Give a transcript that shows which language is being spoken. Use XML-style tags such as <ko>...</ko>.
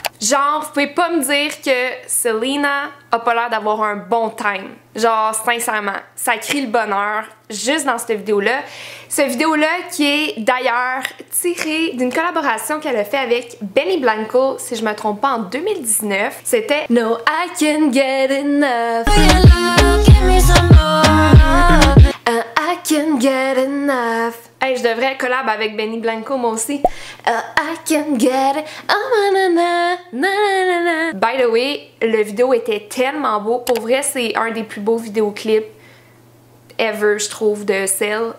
<fr>Genre, vous pouvez pas me dire que Selena a pas l'air d'avoir un bon time. Genre, sincèrement, ça crie le bonheur juste dans cette vidéo-là. Cette vidéo-là qui est d'ailleurs tirée d'une collaboration qu'elle a fait avec Benny Blanco, si je me trompe pas, en 2019.</fr> <en>C'était « No, I can't get enough. Oh, your love, give me some more. Oh, I can't get enough.</en> <fr>» Hey, je devrais collab avec Benny Blanco, moi aussi.</fr> <en>I can get it. Oh, na, na, na, na, na. By the way,</en> <fr>le vidéo était tellement beau. Pour vrai, c'est un des plus beaux vidéoclips ever, je trouve, de Celle.</fr>